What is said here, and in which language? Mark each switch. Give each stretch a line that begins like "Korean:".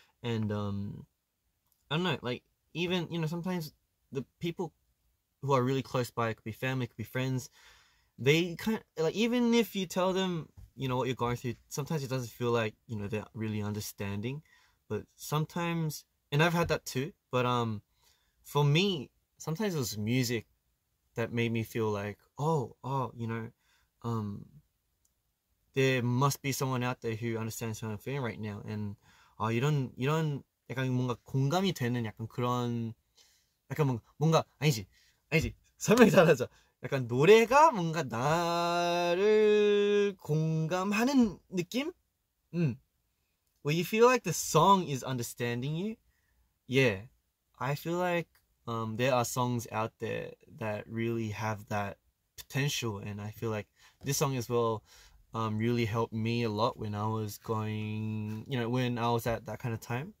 English: And, I don't know, like, even, you know, sometimes the people who are really close by, it could be family, it could be friends, they kind of, like, even if you tell them, you know, what you're going through, sometimes it doesn't feel like, you know, they're really understanding. But sometimes, and I've had that too, but, for me, sometimes it was music that made me feel like, oh, you know, there must be someone out there who understands how I'm feeling right now. And
Korean: 이런 약간 뭔가 공감이 되는 약간 그런 약간 뭔가 아니지 설명이 잘하죠. 약간 노래가 뭔가 나를 공감하는 느낌?
English: Well, you feel like the song is understanding you? Yeah, I feel like there are songs out there that really have that potential. And I feel like this song as well really helped me a lot when I was going, you know, when I was at that kind of time.